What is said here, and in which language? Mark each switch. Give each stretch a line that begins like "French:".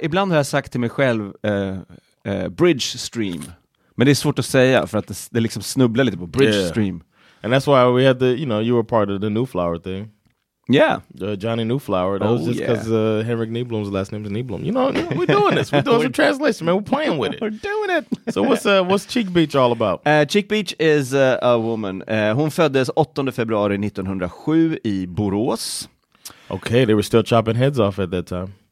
Swedish: Ibland har jag sagt till mig själv Bridge Stream. Men det är svårt att säga för att det liksom snubblar lite på Bridge Stream.
English: And that's why we had the, you know, you were part of the New Flower thing. Yeah. Johnny Newflower. That was just because Henrik Nyblom's last name is Nyblom. You know, we're doing this. We're doing some translation, man. We're playing with it. We're doing it. So what's Cheek Beach all about? Cheek Beach is a woman.
Swedish: Hon föddes 8 februari 1907 i Borås.
English: Okay, they were still chopping heads off at that time.